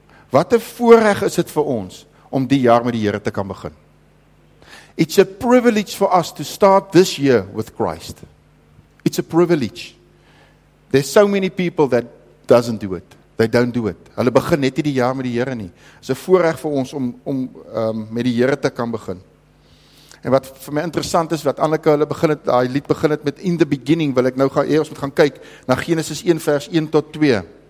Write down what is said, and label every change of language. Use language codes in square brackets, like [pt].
[af] Wat 'n voorreg is dit vir ons om die jaar met die Here te kan begin. [en] It's a privilege for us to start this year with Christ. It's a privilege. There's so many people that doesn't do it. They don't do it. [af] Hulle begin net nie die jaar met die Here nie. Dis 'n voorreg vir ons om met die Here te kan begin. En wat vir my interessant is, wat Anneke hulle begin het, daai lied begin het met [en] in the beginning, [af] wil ek nou gaan eers moet gaan kyk na Genesis 1 vers 1 tot 2.